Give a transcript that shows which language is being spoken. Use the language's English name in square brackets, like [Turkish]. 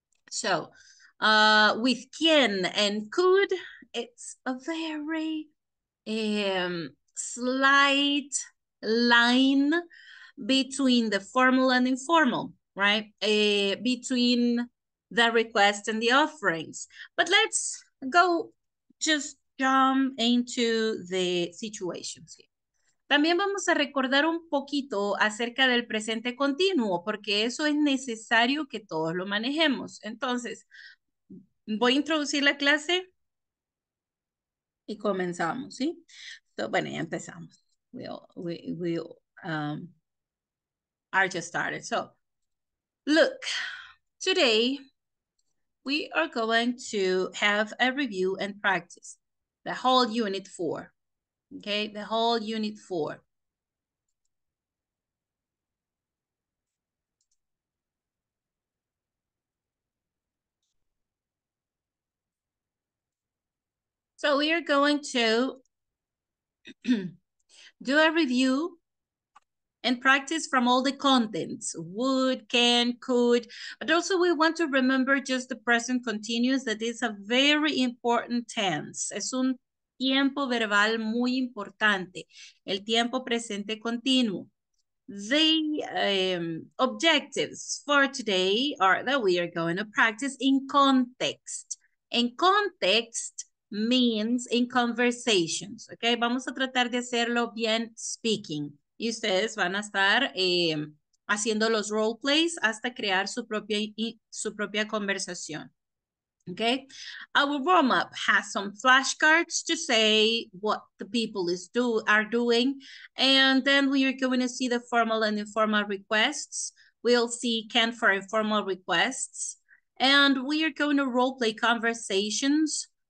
[English] So with can and could, it's a very slight line between the formal and informal, right? Between the request and the offerings. But let's go just jump into the situations here. [Spanish] También vamos a recordar un poquito acerca del presente continuo, porque eso es necesario que todos lo manejemos. Entonces, voy a introducir la clase. Y comenzamos, ¿sí? So, bueno, ya empezamos. [English] We just started. So, look, today we are going to have a review and practice. The whole unit 4. Okay, the whole unit 4. So we are going to do a review and practice from all the contents, would, can, could, but also we want to remember just the present continuous, that is a very important tense. [Spanish] Es un tiempo verbal muy importante, el tiempo presente continuo. [English] The objectives for today are that we are going to practice in context. In context means in conversations, okay? [Spanish] Vamos a tratar de hacerlo bien speaking. Y ustedes van a estar haciendo los role plays hasta crear su propia conversación, okay? [English] Our warm-up has some flashcards to say what the people are doing, and then we are going to see the formal and informal requests. We'll see can for informal requests, and we are going to role play conversations.